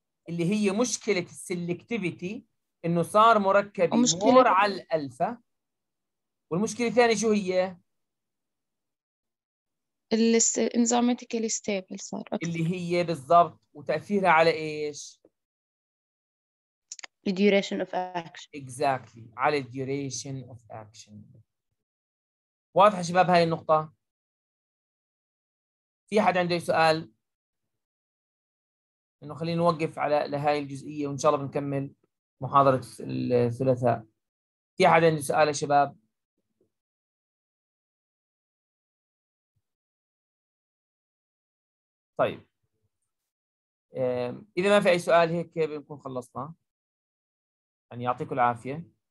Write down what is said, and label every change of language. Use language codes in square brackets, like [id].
[ar] اللي هي مشكله السلكتيفيتي انه صار مركبي مور على الالفا، والمشكله الثانيه شو هي؟ الانزيماتيكالي ستيبل صار أكثر. اللي هي بالضبط، وتاثيرها على ايش؟ [en] The duration of action. Exactly. [ar] على [en] the duration of action. [ar] واضح شباب هاي النقطة؟ في حد عنده سؤال؟ إنه خلينا نوقف على لهاي الجزئية وإن شاء الله بنكمل محاضرة الثلاثاء. في حد عنده سؤال يا شباب؟ طيب إذا ما في أي سؤال هيك بنكون خلصنا. أن يعطيكم العافية.